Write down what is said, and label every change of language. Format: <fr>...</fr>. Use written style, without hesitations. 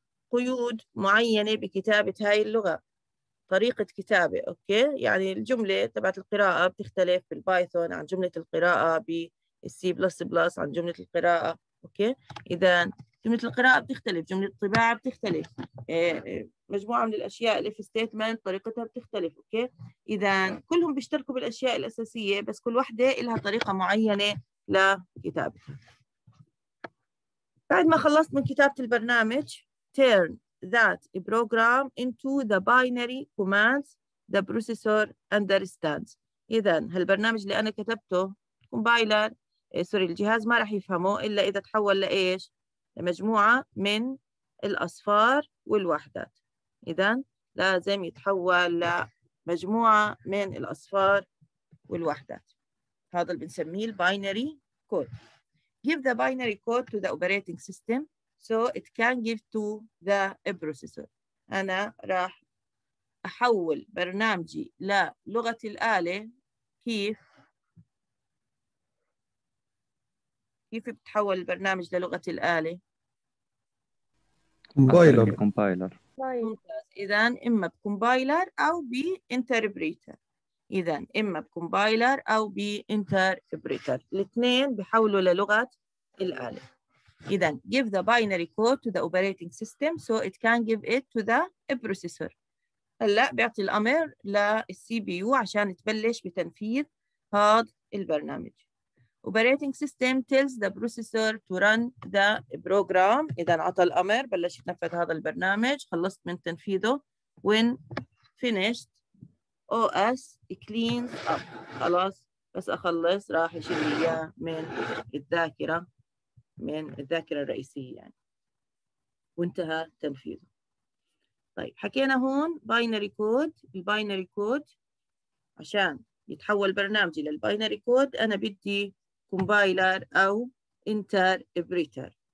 <ar>قيود معينة بكتابة هاي اللغة، طريقة كتابة، أوكي؟ يعني الجملة تبعت القراءة بتختلف بالبايثون عن جملة القراءة بالسي بلس بلس عن جملة القراءة، أوكي؟ إذا جملة القراءة بتختلف، جملة الطباعة بتختلف، مجموعة من الأشياء اللي في statement طريقتها بتختلف، أوكي؟ إذا كلهم بيشتركوا بالأشياء الأساسية بس كل واحدة لها طريقة معينة لكتابتها. بعد ما خلصت من كتابة البرنامج</ar> <en>turn that program into the binary commands the processor understands.</en> <ar>إذا هالبرنامج اللي أنا كتبته compiler سوري الجهاز ما رح يفهمه إلا إذا تحول لإيش؟ مجموعة من الأصفار والوحدات. إذن لازم يتحول لمجموعة من الأصفار والوحدات، هذا اللي بنسميه binary code.</ar> <en>Give the binary code to the operating system so it can give to the processor.</en> <ar>أنا راح أحول برنامجي للغة الآلة، كيف بتحول البرنامج للغة الآلة؟ كومبايلر. إذن إما بكومبايلر أو بإنتربريتر، إذن إما بكومبايلر أو بإنتربريتر، الاثنين بيحولوا للغة الآلة.</ar> <en>إذن give the binary code to the operating system so it can give it to the processor.</en> <ar>هلأ بيعطي الأمر للسي بي يو عشان تبلش بتنفيذ هذا البرنامج.</ar> <en>Operating system tells the processor to run the program.</en> <ar>إذا عطى الأمر بلش يتنفذ هذا البرنامج، خلصت من تنفيذه.</ar> <en>When finished, OS cleans up.</en> <ar>خلاص بس أخلص راح يشيل إياه من الذاكرة، من الذاكرة الرئيسية يعني، وانتهى تنفيذه. طيب حكينا هون binary code. الباينري كود عشان يتحول برنامجي للباينري كود أنا بدي كومبايلر أو إنتربريتر.</ar>